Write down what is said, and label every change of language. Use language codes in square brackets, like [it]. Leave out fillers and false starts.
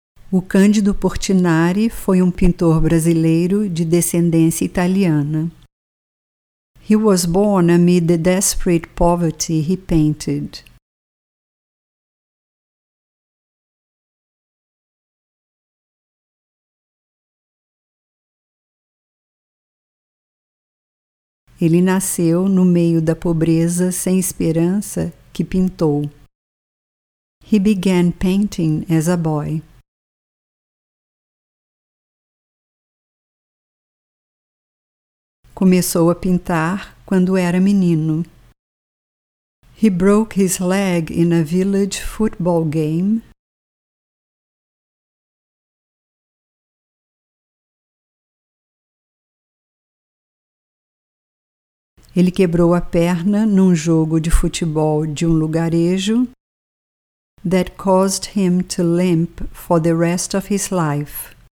[pt] O Cândido Portinari foi um pintor brasileiro de descendência italiana. [en] He was born amid the desperate poverty he painted. [pt] Ele nasceu no meio da pobreza sem esperança que pintou. [en] He began painting as a boy. [pt] Começou a pintar quando era menino. [en] He broke his leg in a village football game. [pt] Ele quebrou a perna num jogo de futebol de um lugarejo. [en] That caused him to limp for the rest of his life.